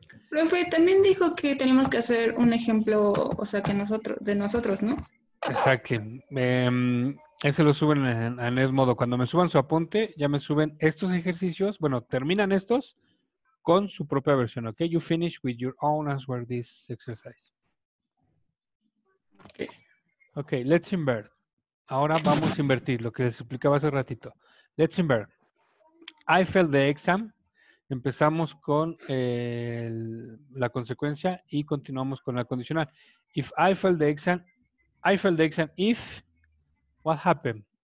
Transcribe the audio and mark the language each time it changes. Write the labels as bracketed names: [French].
[Spanish] Profe, también dijo que tenemos que hacer un ejemplo, o sea, que nosotros, de nosotros, ¿no? Exacto. Ese lo suben en Edmodo. Cuando me suban su apunte, ya me suben estos ejercicios. Bueno, terminan estos con su propia versión, ¿ok? [English] You finish with your own answer this exercise. Ok. Ok, let's invert. [Spanish] Ahora vamos a invertir lo que les explicaba hace ratito. [English] Let's invert. I failed the exam. [Spanish] Empezamos con la consecuencia y continuamos con la condicional. [English] If I fail the exam, I fail the exam if, what happened?